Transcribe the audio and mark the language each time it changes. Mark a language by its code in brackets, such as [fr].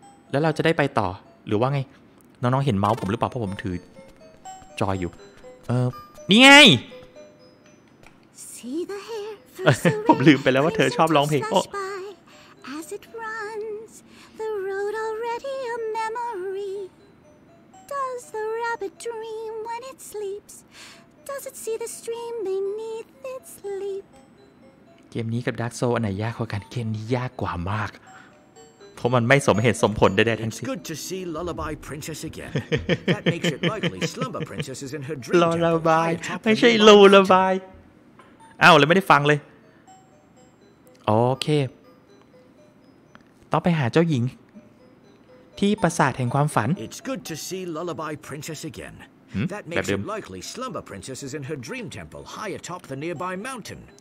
[th] แล้วเราจะได้ไปต่อหรือว่าไงน้องๆเห็นเมาส์ผมหรือเปล่าเพราะผมถือจอยอยู่นี่ไง [en] See the hair for so [th] ผมลืมไปแล้วว่าเธอชอบร้องเพลงโอ้ [en] As it runs the road already a memory Does the rabbit dream when it sleepsDoes it see the stream beneath its leap? [th] เกมนี้กับ Dark Soul อันไหนยากกว่ากันเกมนี้ยากกว่ามากเพราะมันไม่สมเหตุสมผลใดๆทั้งสิ้น [en] It's good to see Lullaby Princess again. That makes it likely Slumber Princess is in her dream. [th] Lullaby ไม่ใช่ Lullaby อ้าวเราไม่ได้ฟังเลยโอเคต้องไปหาเจ้าหญิงที่ปราสาทแห่งความฝัน [en] It's good to see Lullaby Princess againThat makes it likely Slumber Princess is in her dream temple, high atop the nearby mountain.